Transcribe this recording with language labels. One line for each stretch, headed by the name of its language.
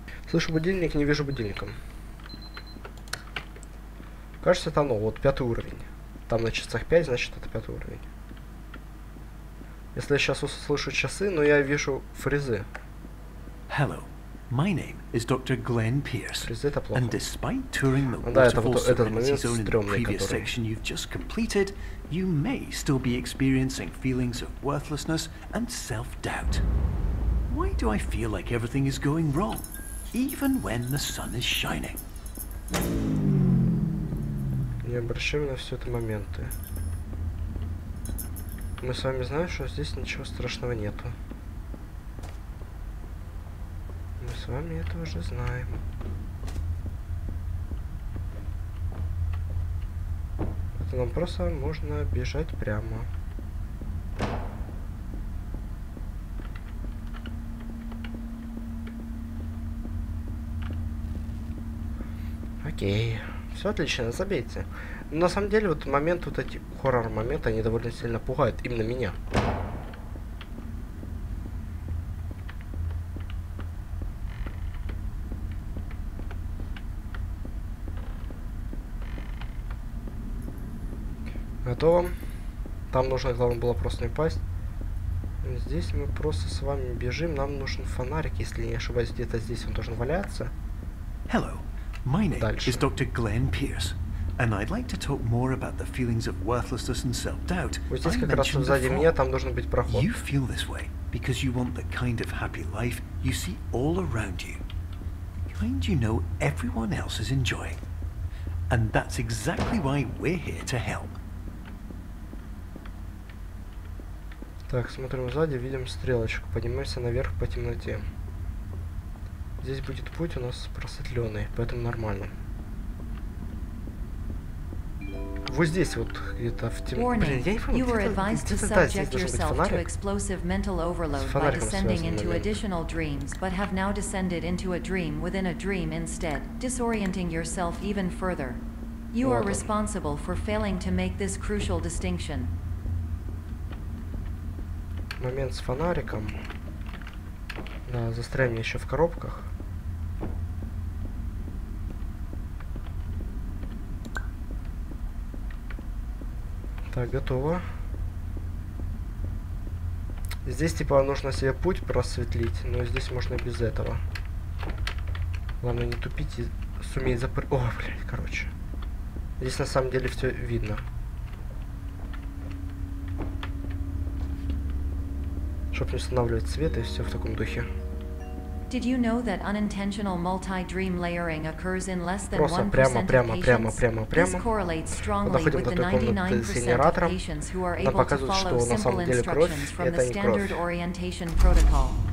Russian: Слышу будильник, не вижу будильника. Кажется, это оно, вот 5-й уровень. Там на часах 5, значит, это 5-й уровень. Если я сейчас услышу часы, но я вижу фрезы.
English: Hello, my name is Dr. Glenn Pierce, and despite touring the waterfall serenity zone in the previous section you've just completed, you may still be experiencing feelings of worthlessness and self-doubt. Why do I feel like everything is going wrong, even when the sun is shining?
Russian: Не обращаем на все это моменты. Мы с вами знаем, что здесь ничего страшного нету. Мы с вами это уже знаем. Это нам просто можно бежать прямо. Окей. Все отлично, забейте. Но на самом деле, вот момент, вот эти хоррор-моменты, они довольно сильно пугают именно меня. Готово. Там нужно, главное, было просто не пасть. Здесь мы просто с вами бежим. Нам нужен фонарик, если не ошибаюсь, где-то здесь он должен валяться.
English: Hello, my name is Dr. Glenn Pierce, and I'd like to talk more about the feelings of worthlessness and self-doubt.
Russian: Вот здесь как раз сзади меня, там должен быть проход.
English: You feel this way because you want the kind of happy life you see all around you, kind you know everyone else is enjoying, and that's exactly why we're here to help.
Russian: Так, смотрим сзади, видим стрелочку. Поднимаемся наверх по темноте. Здесь будет путь у нас просветленный, поэтому нормально. Вот здесь вот, где-то в
English: Warning, you were advised to subject yourself to explosive mental overload by descending into additional dreams, but have now descended into a dream within a dream instead, disorienting yourself even further. You are responsible for failing to make this crucial distinction.
Russian: Момент с фонариком. Да, застрянем еще в коробках. Так, готово. Здесь типа нужно себе путь просветлить, но здесь можно и без этого. Главное не тупить и суметь запрыгнуть. О, блядь, короче. Здесь на самом деле все видно. Чтоб не устанавливать свет и все в таком духе.
English: Did you know that unintentional multi-dream layering occurs in less than 1% of patients? Просто прямо. This correlates strongly with the 99% of patients who are able to follow simple instructions from the standard orientation protocol.